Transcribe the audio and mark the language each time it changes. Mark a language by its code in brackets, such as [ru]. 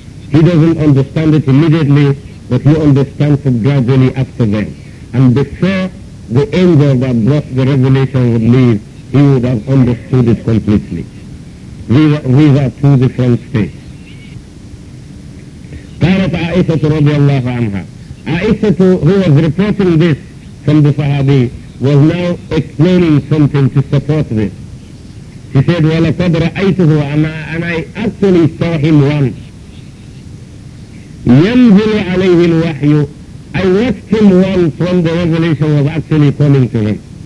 [en] He doesn't understand it immediately, but he understands it gradually after that. And before the angel that brought the revelation would leave, he would have understood it completely. These are two different states. [ar] قالت عائشة رضي الله عنها. [en] Aisha, who was reporting this from the Sahabi, was now explaining something to support this. She said, [ar] وَلَقَدْ رَأَيْتُهُ. [en] And I actually saw him once. [ar] يَنْزِلُ عَلَيْهِ الْوَحْيُ. [en] I watched him once when the revelation was actually coming to him.